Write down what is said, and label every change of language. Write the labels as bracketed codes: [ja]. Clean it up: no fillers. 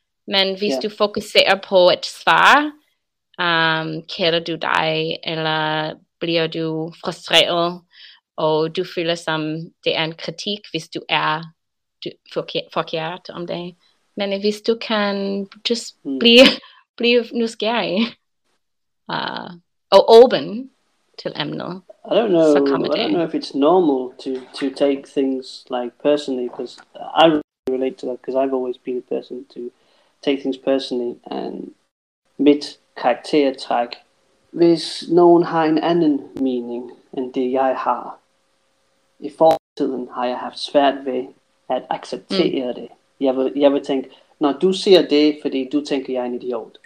[da] Men hvis du fokuserer på et svar, kender du dig, eller bliver du frustreret, og du føler som det er en kritik, hvis du er forkert om det. Men hvis du kan just blive nysgerrig og åben til emnet, [en] I don't know. I don't know if it's normal to take things like personally, because I really relate to that, because I've always been a person to take things personally. And [da] mit karaktertræk, hvis nogen har en anden mening end det jeg har, i fortiden har jeg haft svært ved at acceptere det. Jeg vil tænke, når du siger det, fordi du tænker, jeg er en idiot.